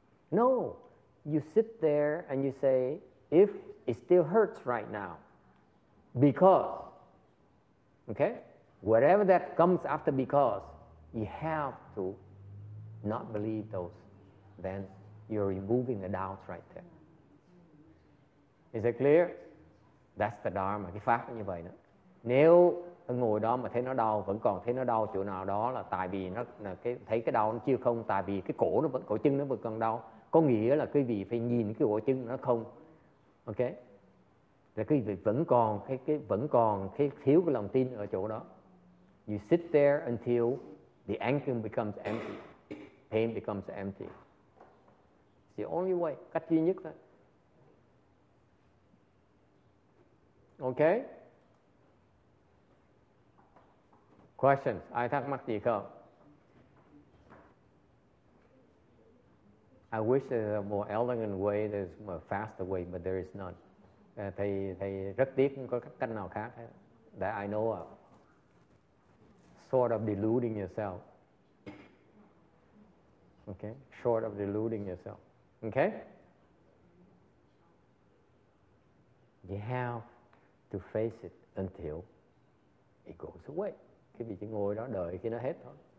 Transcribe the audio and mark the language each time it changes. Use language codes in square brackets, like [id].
[en] No, you sit there and you say, if it still hurts right now, because, okay, whatever that comes after because, you have to not believe those, then you're removing the doubts right there. Is it clear? That's the Dharma. [vi] Cái pháp như vậy đó. Nếu ngồi đó mà thấy nó đau, vẫn còn thấy nó đau chỗ nào đó là tại vì nó là cái thấy cái đau nó chưa không, tại vì cái cổ chân nó vẫn còn đau. Có nghĩa là quý vị phải nhìn cái cổ chân nó không, ok? Là quý vị vẫn còn cái thiếu cái lòng tin ở chỗ đó. [en] You sit there until the anger becomes empty, pain becomes empty. It's the only way, [vi] cách duy nhất thôi. [en] Okay? [vi] Questions? Ai thắc mắc gì không? [en] I wish there was a more elegant way, there was a faster way, but there is none. [vi] Thầy rất tiếc không có cách nào khác hết. [en] That I know of. Sort of deluding yourself. Okay? Short of deluding yourself. Okay? You have to face it until it goes away. [vi] Cái vị chỉ ngồi đó đợi khi nó hết thôi.